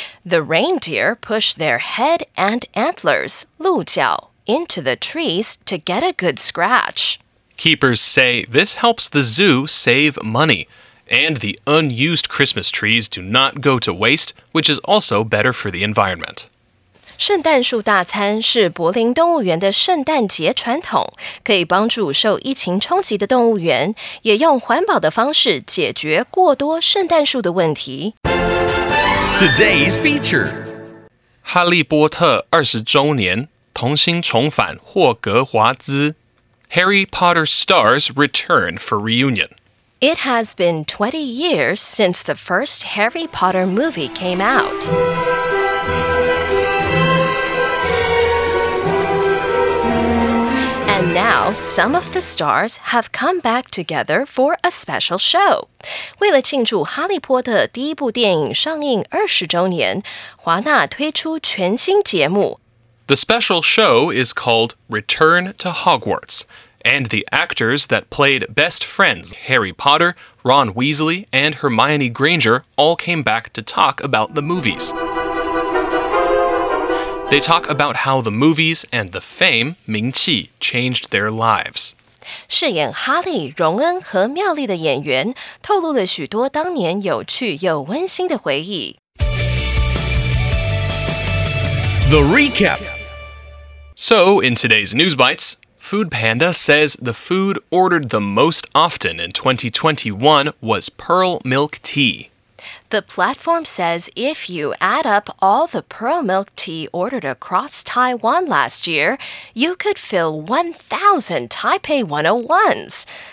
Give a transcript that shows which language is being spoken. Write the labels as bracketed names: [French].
[English] The reindeer pushed their head and antlers, 鹿角, into the trees to get a good scratch. Keepers say this helps the zoo save money. And the unused Christmas trees do not go to waste, which is also better for the environment. [Chinese] 圣诞树大餐是柏林动物园的圣诞节传统，可以帮助受疫情冲击的动物园，也用环保的方式解决过多圣诞树的问题。 [English] Today's feature: [Chinese] 哈利波特二十周年，童星重返霍格华兹。 [English] Harry Potter stars return for reunion. It has been 20 years since the first Harry Potter movie came out. now, some of the stars have come back together for a special show. [Chinese] 为了庆祝《哈利波特》第一部电影上映20周年，华纳推出全新节目。 [English] The special show is called Return to Hogwarts, and the actors that played best friends Harry Potter, Ron Weasley, and Hermione Granger all came back to talk about the movies. They talk about how the movies and the fame, 名气, changed their lives. [Chinese] 饰演哈利、荣恩和妙丽的演员透露了许多当年有趣又温馨的回忆。 [English] The Recap. So, in today's News Bites, Foodpanda says the food ordered the most often in 2021 was pearl milk tea. The platform says if you add up all the pearl milk tea ordered across Taiwan last year, you could fill 1,000 Taipei 101s.